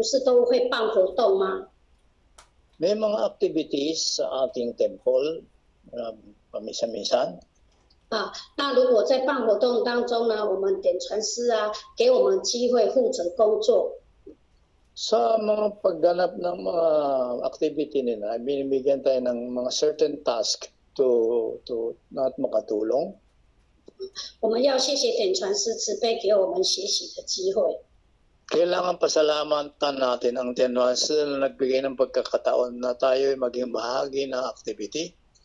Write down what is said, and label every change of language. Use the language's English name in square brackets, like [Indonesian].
[Chinese] 就好比如果说我们佛堂啊不是在道场啊不是都会办活动吗? [Filipino] May mga activities sa ating temple, pamisa-misan. [Chinese] 那如果在办活动当中呢我们点传师啊给我们机会负责工作. [Filipino] Sa mga pagganap ng mga activity nila, binibigyan tayo ng mga [English] certain task to not [Filipino] makatulong. [Chinese] 我们要谢谢点传师慈悲给我们学习的机会. [Filipino] Kailangan pasalamatan natin ang Tianwansi na nagbigay ng pagkakataon na tayo ay maging bahagi ng activity.